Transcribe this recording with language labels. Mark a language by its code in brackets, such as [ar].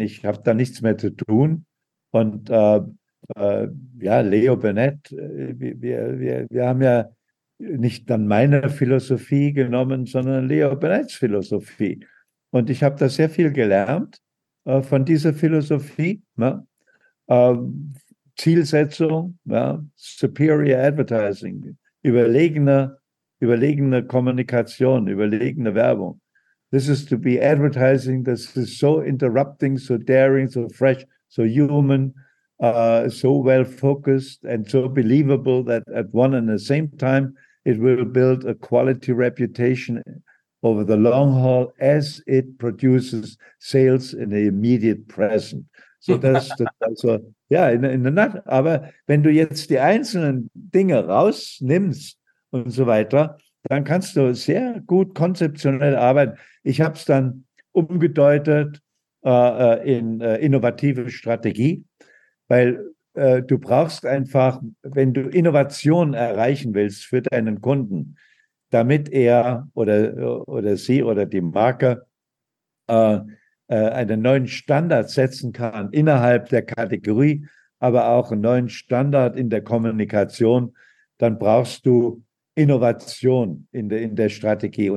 [de] Ich habe da nichts mehr zu tun. Und Leo Burnett, wir haben ja nicht dann meine Philosophie genommen, sondern Leo Burnetts Philosophie. Und ich habe da sehr viel gelernt von dieser Philosophie. Ne? Zielsetzung, ja, [en] superior advertising, [de] überlegene Kommunikation, überlegene Werbung. [en] This is to be advertising that is so interrupting, so daring, so fresh, so human, so well focused and so believable that at one and the same time it will build a quality reputation over the long haul as it produces sales in the immediate present. [de] So aber wenn du jetzt die einzelnen Dinge rausnimmst und so weiter, dann kannst du sehr gut konzeptionell arbeiten. Ich habe es dann umgedeutet in innovative Strategie, weil du brauchst einfach, wenn du Innovation erreichen willst für deinen Kunden, damit er oder sie oder die Marke einen neuen Standard setzen kann innerhalb der Kategorie, aber auch einen neuen Standard in der Kommunikation, dann brauchst du Innovation in der Strategie.